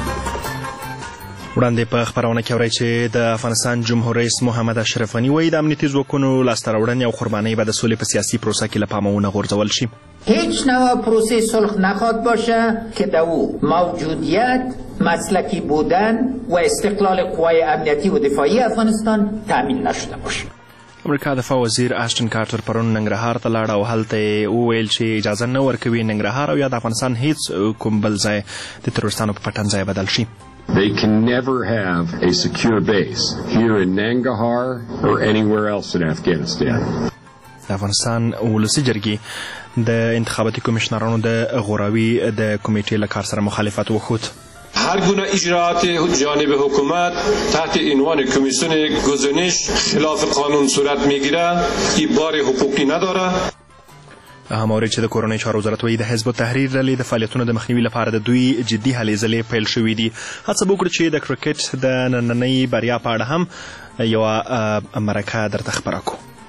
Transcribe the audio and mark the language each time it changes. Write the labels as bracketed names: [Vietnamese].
[Pashto] وړاندې په خبرونه کې اورئ چې د افغانستان جمهور رئیس محمد اشرف غنی وایي د امنیتي ځواکونو لاسته راوړنې او قربانۍ به د سولې په سیاسي پروسه کې له پامه ونه غورځول شي. [Persian] هیچ نوع پروسه صلح نخواهد باشه که د او موجودیت، مسلکی بودن و استقلال قوای امنیتی و دفاعی افغانستان تامین نشده باشه. [Pashto] امریکا دفاع وزیر اشتن کارتر پرون ننګرهار ته لاړه او هلته یې وویل چې اجازه نه ورکوي ننګرهار او یا د افغانستان هیڅ کوم بل ځای د ترورستانو په پټن ځای بدل شي. [English] They can never have a secure base here in Nangarhar or anywhere else in Afghanistan. [Pashto] افغانستان ولسی جرګی د انتخاباتي کمشنرانو د غوراوی د کمیټې له کار سره مخالفت وکړ. [Persian] هر گونه اجراءات جانب حکومت تحت عنوان کمیسیون گزینش خلاف قانون صورت میگیره که بار حقوقی نداره. [Pashto] هماره چې د کورونې چار وزارت وی د حزب تحریر لري د فعالیتونو د مخنیوي لپاره د دوی جدي هلې ځلې پیل شوې دي. هڅه وکړه چې د کرکټ د نننۍ بریا په اړه هم یو مرکه درته خبره کړو.